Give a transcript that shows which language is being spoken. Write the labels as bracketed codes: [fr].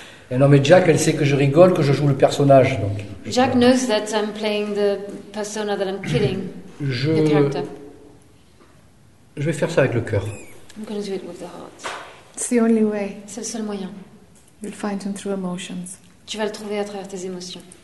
[fr] Et non, mais Jack, elle sait que je rigole, que je joue le personnage. Donc. [en] Jack knows that I'm playing the persona that I'm killing. [fr] Je vais faire ça avec le cœur. [en] I'm going to do it with the heart. It's the only way. [fr] C'est le seul moyen. [en] You'll find him through emotions. [fr] Tu vas le trouver à travers tes émotions.